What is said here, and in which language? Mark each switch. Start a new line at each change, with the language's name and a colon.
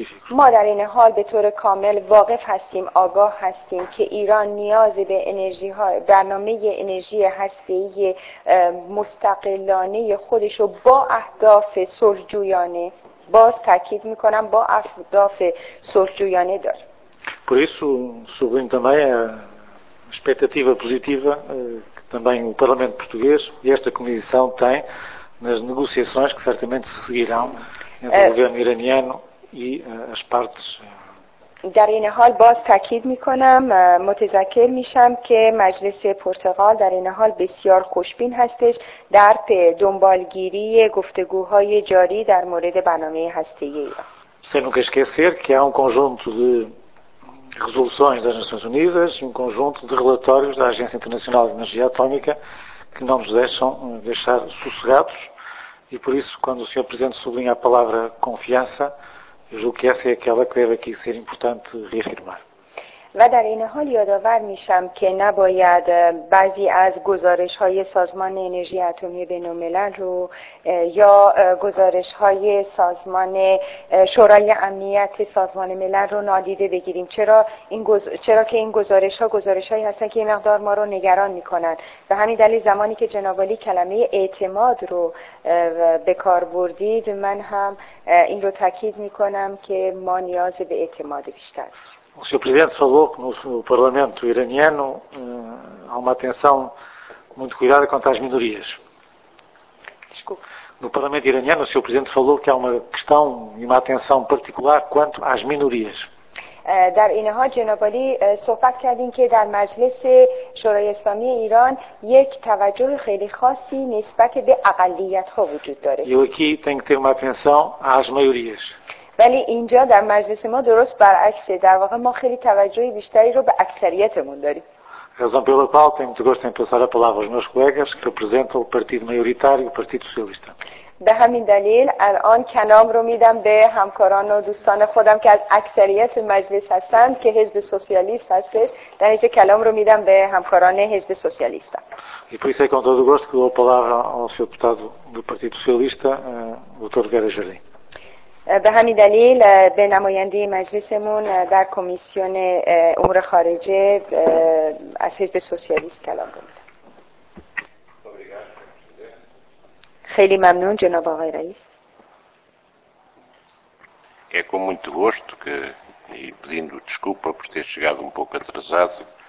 Persian: ما در این حال به طور کامل واقف هستیم، آگاه هستیم که ایران نیاز به انرژی ها، برنامه انرژی هسته‌ای مستقلانه خودش رو با اهداف صلح‌جویانه، باز تاکید میکنم با اهداف صلح‌جویانه داره.
Portuguese: Por isso sublinho também a expectativa positiva que também o Parlamento Português e esta Comissão têm nas negociações que certamente se seguirão entre o governo iraniano e as partes.
Persian: در این حال باز تاکید میکنم، متذکر میشم که مجلس پرتغال در این حال بسیار خوشبین هستش در دنبالگیری گفتگوهای جاری در مورد برنامه هسته‌ای.
Portuguese: Sem nunca esquecer que há um conjunto de resoluções das Nações Unidas e um conjunto de relatórios da Agência Internacional de Energia Atómica que não nos deixam deixar sossegados. E por isso, quando o Sr. Presidente sublinha a palavra confiança, eu julgo que essa é aquela que deve aqui ser importante reafirmar.
Persian: و در این حال یادآور میشم که نباید بعضی از گزارش های سازمان انرژی اتمی بین الملل رو یا گزارش های سازمان شورای امنیت سازمان ملل رو نادیده بگیریم. چرا که این گزارش ها گزارش هایی هستن که این مقدار ما رو نگران میکنن. به همین دلیل زمانی که جناب عالی کلمه اعتماد رو به کار بردید، من هم این رو تاکید میکنم که ما نیاز به اعتماد بیشتر.
Portuguese: O Sr. Presidente falou que no Parlamento iraniano há uma atenção muito cuidada quanto às minorias. Desculpe. No Parlamento iraniano, o Sr. Presidente falou que há uma questão e uma atenção particular quanto às minorias.
Persian: در این حال جناب عالی صحبت کردین که در مجلس شورای اسلامی ایران یک توجه خیلی خاصی نسبت به اقلیت‌ها وجود داره.
Portuguese: Eu aqui tenho que ter uma atenção às maiorias.
Persian: ولی اینجا در مجلس ما درست برعکسه، در واقع ما خیلی توجه بیشتری رو به اکثریتمون داریم.
Portuguese: Razão pela qual tenho muito gosto em passar a palavra aos meus colegas que representam o partido maioritário, o Partido Socialista.
Persian: به همین دلیل الان کلام رو میدم به همکاران و دوستان خودم که از اکثریت مجلس هستند که حزب سوسیالیست هستش، در اینجا کلام رو میدم به همکاران حزب سوسیالیست.
Portuguese: E por isso é com todo gosto que dou a palavra ao seu deputado do Partido Socialista, Dr. Vera Jardim.
Persian: به همین دلیل به نماینده مجلسمون در کمیسیون امور خارجه از حزب سوسیالیست کلام بدم. خیلی ممنون جناب آقای رئیس.
Portuguese: É com muito gosto que e pedindo desculpa por ter chegado um pouco atrasado.